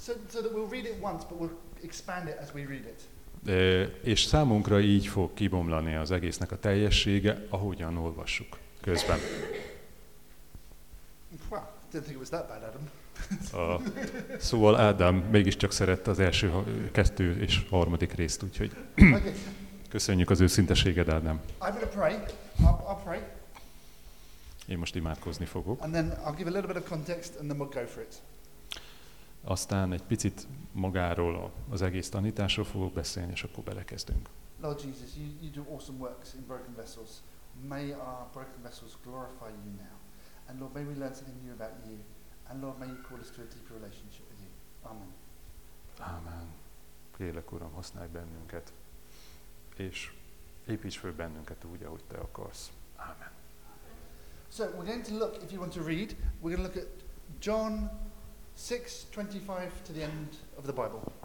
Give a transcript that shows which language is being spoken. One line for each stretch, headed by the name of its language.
English: So that we'll read it once, but we'll expand it as we read it.
Hungarian: És számunkra így fog kibomlani az egésznek a teljessége, ahogyan olvassuk közben.
English: Didn't think it was that bad, Adam.
Hungarian: Szóval Ádám mégiscsak szerette az első, kettő és harmadik részt, úgyhogy köszönjük az őszinteséged, Ádám.
English: I'm going to pray. I'll pray.
Hungarian: Én most imádkozni fogok.
English: And then I'll give a little bit of context and then we'll go for it.
Hungarian: Aztán egy picit magáról, az egész tanításról fogok beszélni, és akkor belekezdünk.
English: Lord Jesus, you do awesome works in broken vessels. May our broken vessels glorify you now. And Lord, may we learn something new about you. And Lord, may you call us to a deeper relationship with you. Amen. Amen.
Hungarian: Kérlek, Uram, használj bennünket, és építs föl bennünket úgy, ahogy te akarsz. Amen.
English: So, we're going to look, if you want to read, we're going to look at John 6:25 to the end of the Bible.